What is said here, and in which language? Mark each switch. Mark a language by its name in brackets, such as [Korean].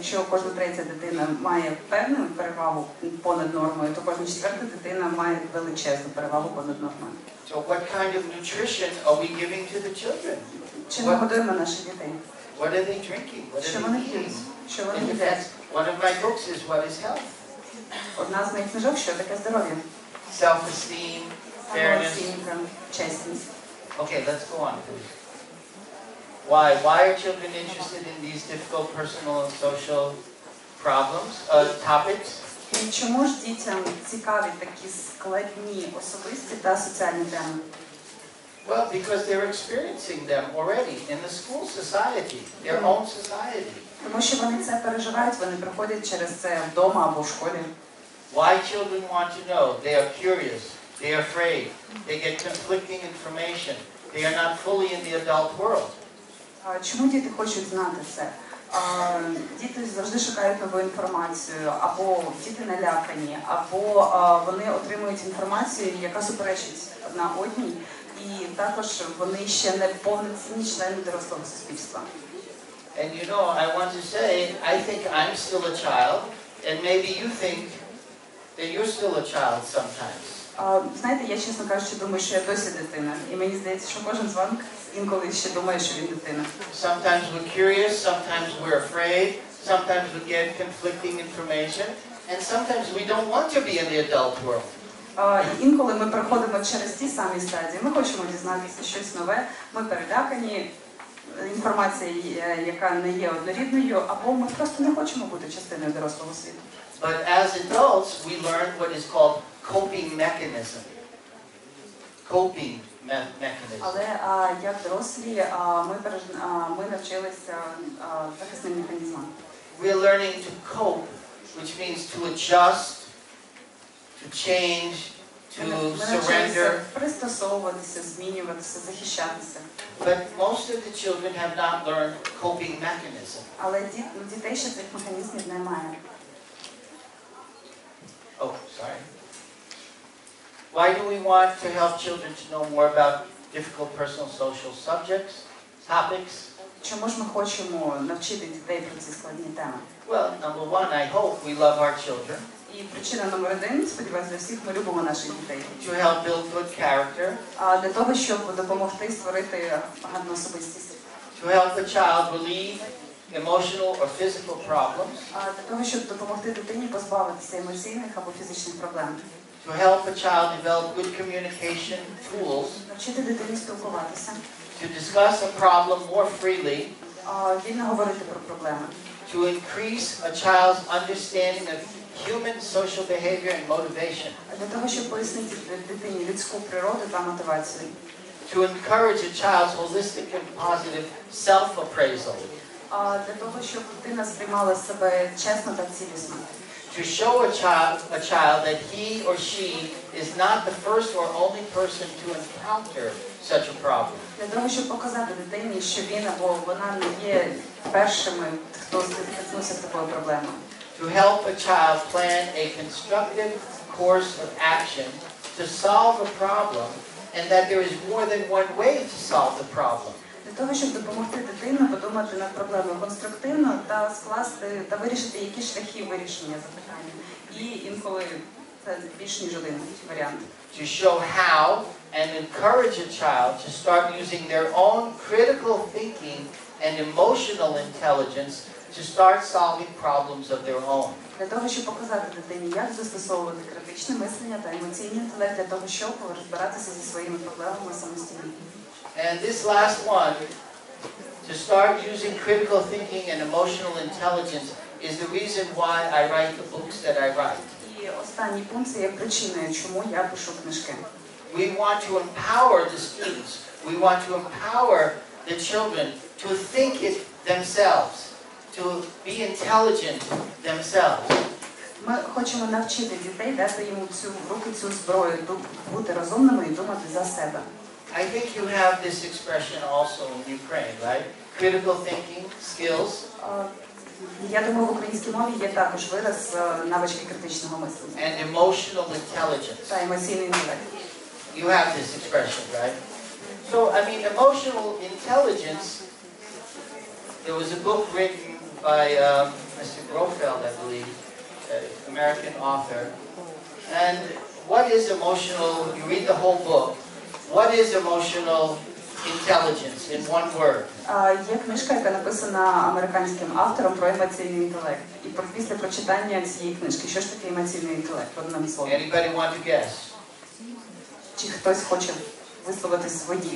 [Ukrainian] Кожна третя дитина має певну перевагу понад нормою, то кожна четверта дитина має величезну перевагу понад нормою. [English] So what kind of nutrition are we giving to the children? [Ukrainian] Чи ми годуємо наших дітей? [English] What are they drinking? [Ukrainian] Що вони їдять? Що вони їдять? [English] One of my books is What is Health? [Ukrainian] Одна з моїх книжок, що таке здоров'я? [English] Self-esteem, fairness. [Ukrainian] Self-esteem, чесність. [English] Okay, let's go on, please. Why are children interested in these difficult personal and social problems, topics? [Ukrainian] Чому ж дітям цікаві такі складні особисті та соціальні теми? [English] Well, because they're experiencing them already in the school society, their own society. [Ukrainian] Тому що вони це переживають, вони проходять через це вдома або в школі. [English] Why children want to know? They are curious, they are afraid, they get conflicting information, they are not fully in the adult world. [Ukrainian] Чому діти хочуть знати все? діти завжди шукають нову інформацію, або діти налякані, або вони отримують інформацію, яка суперечить одна одній, і також вони ще не повноцінні члени дорослого суспільства. [English] And you know, I want to say, I think I'm still a child, and maybe you think that you're still a child sometimes. [Ukrainian] Знаєте, я, чесно кажучи, думаю, що я досі дитина, і мені здається, що кожен з вас інколи ще думає, що він дитина. [English] Sometimes we're curious, sometimes we're afraid, sometimes we get conflicting information, and sometimes we don't want to be in the adult world. [Ukrainian] Інколи ми проходимо через ті самі стадії, ми хочемо дізнатися щось нове, ми перелякані інформацією, яка не є однорідною, або ми просто не хочемо бути частиною дорослого світу. [English] But as adults, we learn what is called coping mechanism. Coping mechanism. [Ukrainian] Але як дорослі, ми навчилися захисним механізмам. [English] We are learning to cope, which means to adjust, to change, to surrender. [Ukrainian] Пристосовуватися, змінюватися, захищатися. [English] But most of the children have not learned coping mechanism. [Ukrainian] Але дітей ще цих механізмів немає. [English] Oh, sorry. Why do we want to help children to know more about difficult personal social subjects, topics? [Ukrainian] Чому ж ми хочемо навчити дітей про ці складні теми? [English] Well, number one, I hope we love our children. [Ukrainian] І причина номер один, сподіваюся, для всіх, ми любимо наших дітей. [English] To help build good character. [Ukrainian] Для того, щоб допомогти створити гарну особистість. [English] To help the child relieve emotional or physical problems. [Ukrainian] Для того, щоб допомогти дитині позбавитися емоційних або фізичних проблем. [English] To help a child develop good communication tools. [Ukrainian] Навчити дитину спілкуватися. [English] To discuss a problem more freely. [Ukrainian] Вільно говорити про проблеми. [English] To increase a child's understanding of human social behavior and motivation. [Ukrainian] Для того, щоб пояснити дитині людську природу та мотивацію. [English] To encourage a child's holistic and positive self-appraisal. [Ukrainian] Для того, щоб дитина сприймала себе чесно та цілісно. [English] To show a child that he or she is not the first or only person to encounter such a problem. [Ukrainian] Для того, щоб показати дитині, що він або вона не є першими, хто стикнувся з такою проблемою. [English] To help a child plan a constructive course of action to solve a problem, and that there is more than one way to solve the problem. [Ukrainian] Для того, щоб допомогти дитині подумати над проблемою конструктивно та скласти та вирішити, які шляхи вирішення запитання. І інколи це більш ніж один варіант. [English] To show how and encourage a child to start using their own critical thinking and emotional intelligence to start solving problems of their own. [Ukrainian] Для того, щоб показати дитині, як застосовувати критичне мислення та емоційний інтелект для того, щоб розбиратися зі своїми проблемами самостійно. [English] And this last one, to start using critical thinking and emotional intelligence, is the reason why I write the books that I write. [Ukrainian] І останній пункт є причиною, чому я пишу книжки. [English] We want to empower the students. We want to empower the children to think it themselves, to be intelligent themselves. [Ukrainian] Ми хочемо навчити дітей, дати їм цю зброю, бути розумними і думати за себе. [English] I think you have this expression also in Ukraine, right? Critical thinking skills. [Ukrainian] Я думаю, в українській мові є також вираз навички критичного мислення. [English] And emotional intelligence. [Ukrainian] Та емоційний інтелект. [English] You have this expression, right? So, I mean, emotional intelligence, there was a book written by Mr. Grofeld, I believe, American author. And what is emotional, you read the whole book, what is emotional intelligence in one word? [Ukrainian] Є книжка, яка написана американським автором про емоційний інтелект. І після прочитання цієї книжки, що ж таке емоційний інтелект? Одним словом. [English] Anybody want to guess? [Ukrainian] Чи хтось хоче висловити свої думки?